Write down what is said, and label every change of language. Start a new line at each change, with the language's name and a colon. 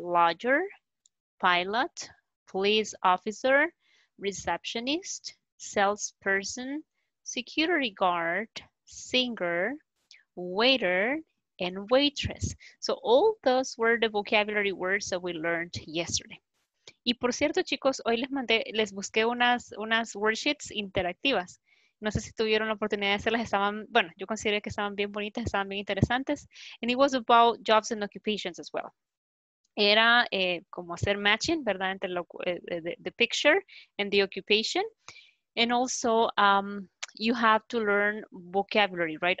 English: Lawyer, pilot, police officer, receptionist, salesperson, security guard, singer, waiter, and waitress. So all those were the vocabulary words that we learned yesterday.
Spanish: Y por cierto, chicos, hoy les busqué unas worksheets interactivas. No sé si tuvieron la oportunidad de hacerlas, estaban, bueno, yo consideré que estaban bien bonitas, estaban bien interesantes.
English: And it was about jobs and occupations as well.
Spanish: Era como hacer matching, ¿verdad? Entre
English: the picture and the occupation. And also, you have to learn vocabulary, right?